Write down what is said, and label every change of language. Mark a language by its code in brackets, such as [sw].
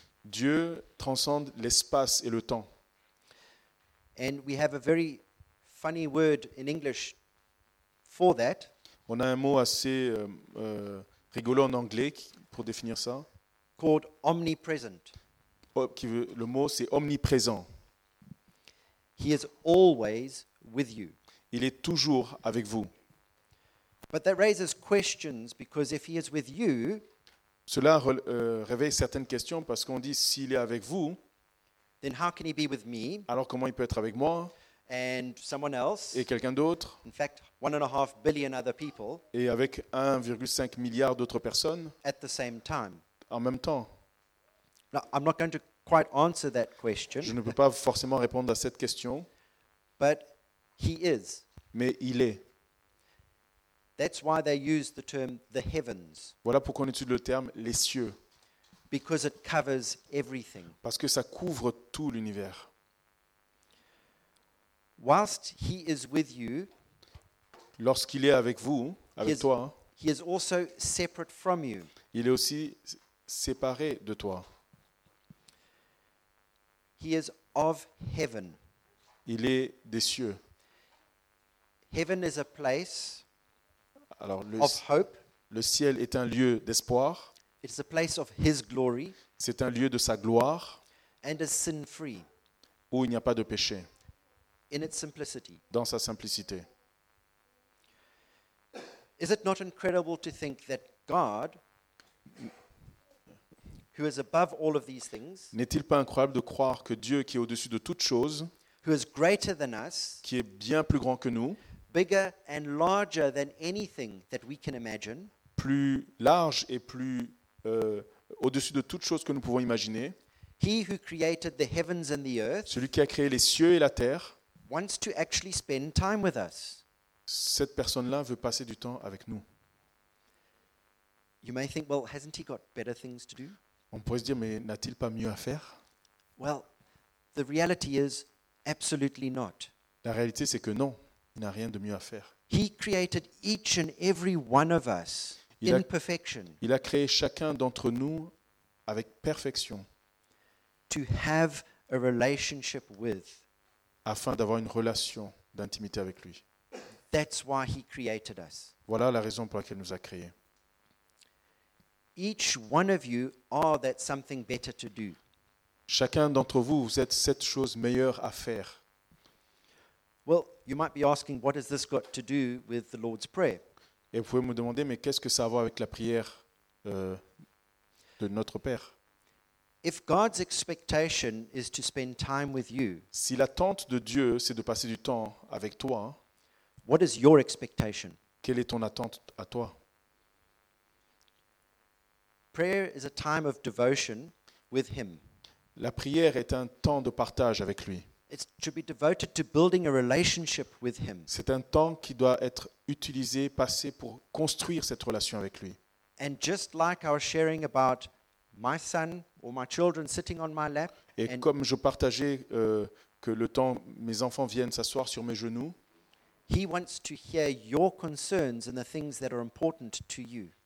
[fr] Dieu transcende l'espace et le temps. [en] And we have a very funny word in English. For that, [fr] on a un mot assez rigolo en anglais pour définir ça. [en] Called omnipresent. [fr] Le mot c'est omniprésent. [en] He is always with you. [fr] Il est toujours avec vous. [en] But that raises questions because if he is with you, [fr] cela réveille certaines questions parce qu'on dit s'il est avec vous, [en] then how can he be with me? [fr] Alors comment il peut être avec moi? [en] And someone else, [fr] et quelqu'un d'autre, [en] in fact, 1.5 billion other people, [fr] et avec 1,5 milliard d'autres personnes, [en] at the same time. [fr] En même temps. [en] Now, I'm not going to quite answer that question. [fr] Je ne peux pas forcément répondre à cette question. [en] But he is. [fr] Mais il est. [en] That's why they use the term the heavens. [fr] Voilà pourquoi on utilise le terme les cieux. [en] Because it covers everything. [fr] Parce que ça couvre tout l'univers. [en] Whilst he is with you, [fr] lorsqu'il est avec vous, avec toi, [en] he is also separate from you. [fr] Il est aussi séparé de toi. [en] He is of heaven. [fr] Il est des cieux. [en] Heaven is a place. [fr] Alors, [en] of hope. [fr] Le ciel est un lieu d'espoir. [en] It's a place of his glory. [fr] C'est un lieu de sa gloire. [en] And is sin free. [fr] Où il n'y a pas de péché. [en] In its simplicity. [fr] Dans sa simplicité. [en] Is it not incredible to think that God, who is above all of these things, [fr] n'est-il pas incroyable de croire que Dieu qui est au-dessus de toutes choses, [en] who is greater than us, [fr] qui est bien plus grand que nous, [en] bigger and larger than anything that we can imagine, [fr] plus large et plus au-dessus de toutes choses que nous pouvons imaginer, [en] he who created the heavens and the earth, [fr] celui qui a créé les cieux et la terre, [en] wants to actually spend time with us. [fr] Cette personne-là veut passer du temps avec nous. [en] You may think, well, hasn't he got better things to do? [fr] On pourrait se dire, mais n'a-t-il pas mieux à faire? [en] Well, the reality is absolutely not. [fr] La réalité, c'est que non, il n'a rien de mieux à faire. [en] He created each and every one of us in perfection. [fr] Il a créé chacun d'entre nous avec perfection. [en] To have a relationship with. [fr] Afin d'avoir une relation d'intimité avec lui. [en] That's why he created us. [fr] Voilà la raison pour laquelle il nous a créés. [en] Each one of you are that something better to do. [fr] Chacun d'entre vous, vous êtes cette chose meilleure à faire. [en] Well, you might be asking, what has this got to do with the Lord's Prayer? [fr] Et vous pouvez me demander, mais qu'est-ce que ça a à voir avec la prière de notre Père? [en] If God's expectation is to spend time with you, [fr] si l'attente de Dieu, c'est de passer du temps avec toi, [en] what is your expectation? [fr] Quelle est ton attente à toi? [en] Prayer is a time of devotion with him. [fr] La prière est un temps de partage avec lui. [en] It's to be devoted to building a relationship with him. [fr] C'est un temps qui doit être utilisé, passé pour construire cette relation avec lui. [en] And just like our sharing about my son or my children sitting on my lap, [fr] et comme je partageais que le temps mes enfants viennent s'asseoir sur mes genoux, [en] he wants to hear your concerns and the things that are important to you.